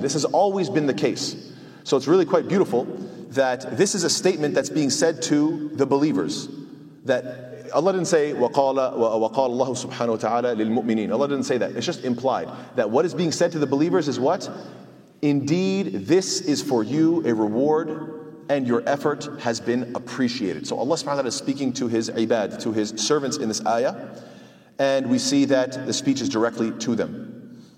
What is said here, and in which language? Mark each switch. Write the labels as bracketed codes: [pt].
[en] This has always been the case. So it's really quite beautiful that this is a statement that's being said to the believers. That Allah didn't say, [ar] وَقَالَ اللَّهُ سُبْحَانَهُ وَتَعَالَى لِلْمُؤْمِنِينَ. [en] Allah didn't say that. It's just implied that what is being said to the believers is what? Indeed, this is for you a reward, and your effort has been appreciated. So Allah subhanahu wa ta'ala is speaking to his ibad, to his servants in this ayah, and we see that the speech is directly to them.